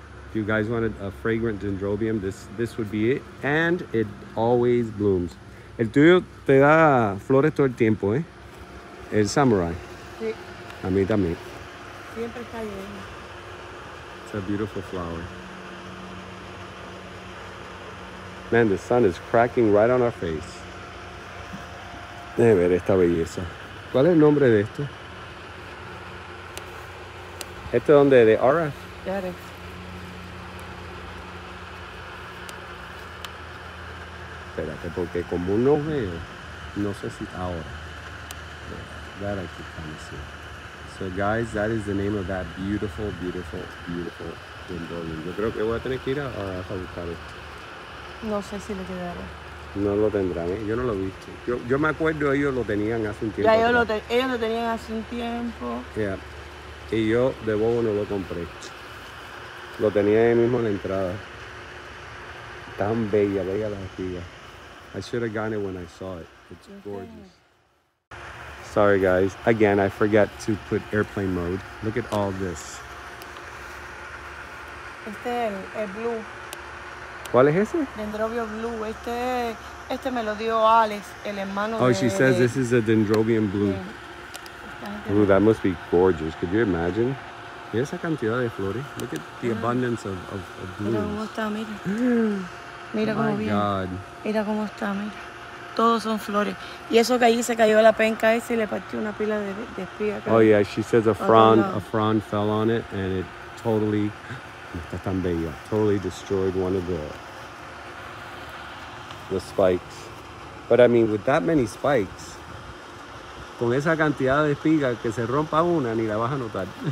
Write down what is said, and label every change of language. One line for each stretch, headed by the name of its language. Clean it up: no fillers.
English: If you guys wanted a fragrant dendrobium, this would be it. And it always blooms.
Spanish: El tuyo te da flores todo el tiempo, eh? El samurai. Sí. A mí también. Siempre está lleno.
English: It's a beautiful flower. Man, the sun is cracking right on our face.
Spanish: Déjame ver esta belleza. ¿Cuál es el nombre de esto? ¿Esto es donde? ¿De Aura? Claro. Espérate, porque como no veo, no sé si ahora.
English: That I keep trying to see. So guys, that is the name of that beautiful, beautiful, beautiful dandelion.
Spanish: Yo creo que voy a tener que ir ahora a buscar esto. No sé si lo quedará. No lo tendrán, ¿eh? Yo no lo he visto. Yo me acuerdo, ellos lo tenían hace un tiempo. Ya, ellos lo tenían hace un tiempo. Yeah. Y yo de bobo no lo compré. Lo tenía ahí mismo en la entrada. Tan bella, bella la espiga.
English: I should have gotten it when I saw it. It's gorgeous. Sorry guys, again, I forgot to put airplane mode. Look at all this.
Spanish: Este es el blue. ¿Cuál es ese? Dendrobium blue. Este me lo dio Alex, el hermano oh, de...
English: Oh, she says this is a dendrobium blue. Yeah. Ooh, that must be gorgeous. Could you imagine?
Spanish: ¿Y esa cantidad de flores?
English: Look at the abundance of blues.
Spanish: Mira cómo está, mira. Mira cómo viene.
English: Oh my God.
Spanish: Mira cómo está, mira. Todos son flores. Y eso que allí se cayó la penca esa y le partió una pila de espiga.
English: Oh, yeah. She says a frond fell on it and it totally,
Spanish: está tan bella,
English: totally destroyed one of the spikes. But I mean, with that many spikes,
Spanish: con esa cantidad de espiga que se rompa una, ni la vas a notar.